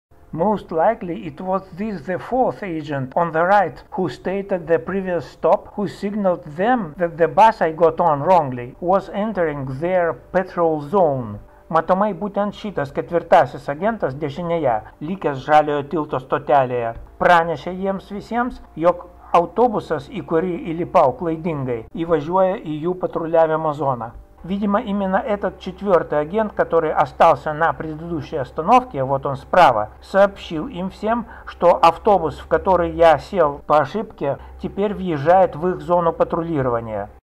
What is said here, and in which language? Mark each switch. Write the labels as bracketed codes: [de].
[en] Most likely it was this the fourth agent on the right who stated the previous stop who signaled them that the bus I got on wrongly was entering their patrol zone. [lt] Matomai būtent šitas ketvirtasis agentas dešinėje, likęs žaliojo tilto stotelėje, pranešė jiems visiems, jog autobusas, į kurį įlipau klaidingai, įvažiuoja į jų patruliavimo zoną. [ru] Видимо, именно этот четвертый агент, который остался на предыдущей остановке, вот он справа, сообщил им всем, что автобус, в который я сел по ошибке, теперь въезжает в их зону патрулирования.